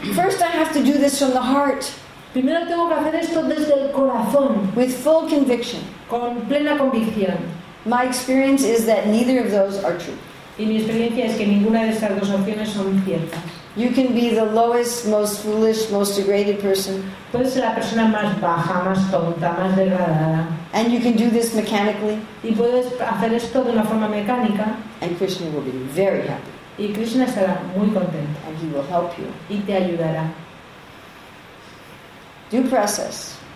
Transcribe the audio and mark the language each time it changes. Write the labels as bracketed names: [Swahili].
[English] First I have to do this from the heart. [Spanish] Primero tengo que hacer esto desde el corazón. [English] With full conviction. [Spanish] Con plena convicción. [English] My experience is that neither of those are true. [Spanish] Y mi experiencia es que ninguna de estas dos opciones son ciertas. [English] You can be the lowest, most foolish, most degraded person. [Spanish] Puedes ser la persona más baja, más tonta, más degradada. [English] And you can do this mechanically. [Spanish] Y puedes hacer esto de una forma mecánica. [English] And Krishna will be very happy. [Spanish] Y Krishna estará muy contento. [English] And he will help you. [Spanish] Y te ayudará. [English] Due process.